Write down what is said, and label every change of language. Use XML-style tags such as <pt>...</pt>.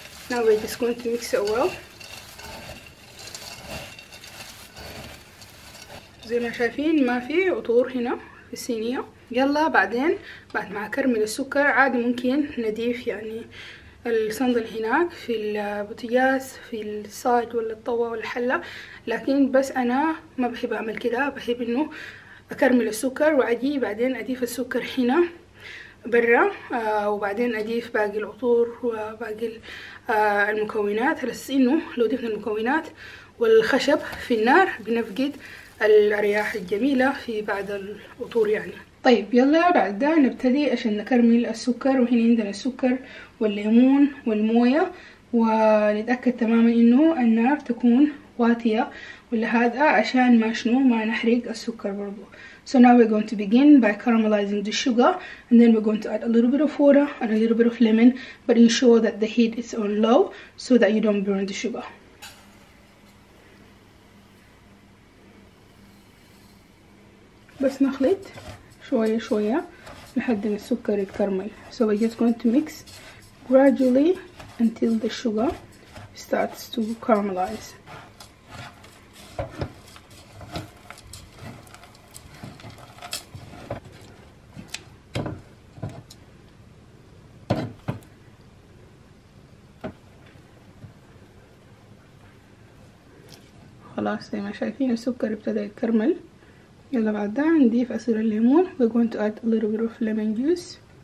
<en>Now we're just going to mix it well.</en> <ar>زي ما شايفين ما في عطور هنا في الصينية. يلا بعدين بعد ما كرمل السكر عادي ممكن نضيف يعني الصندل هناك في البوتياس في الصاج ولا الطوة والحلة، لكن بس أنا ما بحب أعمل كده، بحب إنه أكرمل السكر وأجي بعدين أضيف السكر هنا برا وبعدين أضيف باقي العطور وباقي المكونات، بس إنه لو ضفنا المكونات والخشب في النار بنفقد الرياح الجميلة في بعض العطور يعني. طيب يلا بعد ده نبتدي عشان نكرمل السكر، وهنا عندنا السكر والليمون والموية، ونتأكد تماما إنه النار تكون واطية ولهذا عشان ما شنو ما نحرق السكر برضو.</ar> <en>So now we're going to begin by caramelizing the sugar and then we're going to add a little bit of water and a little bit of lemon, but ensure that the heat is on low so that you don't burn the sugar.</en> <ar>بس نخلط شوية شوية لحد ما السكر يتكرمل.</ar> <en>So we're just going to mix gradually until the sugar starts to caramelize.</en> <ar>خلاص زي ما شايفين السكر ابتدى يتكرمل. يلا بعد ده نضيف عصير الليمون.</ar> <en>We're going to add a little bit of lemon juice.</en>